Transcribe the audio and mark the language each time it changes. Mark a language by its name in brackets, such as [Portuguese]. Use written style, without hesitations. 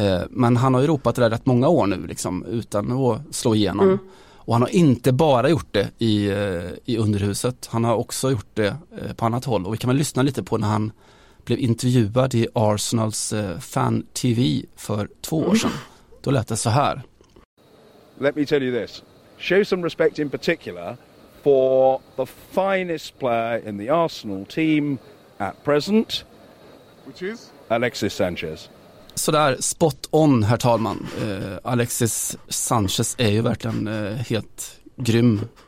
[Swedish] Men han har ju ropat det där rätt många år nu liksom, utan att slå igenom. Mm. Och han har inte bara gjort det i underhuset, han har också gjort det på annat håll. Och vi kan väl lyssna lite på när han blev intervjuad i Arsenals fan TV för 2 år sedan. Då lät det så här. [English] Let me tell you this. Show some respect in particular for the finest player in the Arsenal team at present. Which is? Alexis Sanchez. [Swedish] Så där spot on, herr talman. Alexis Sanchez är ju verkligen helt grym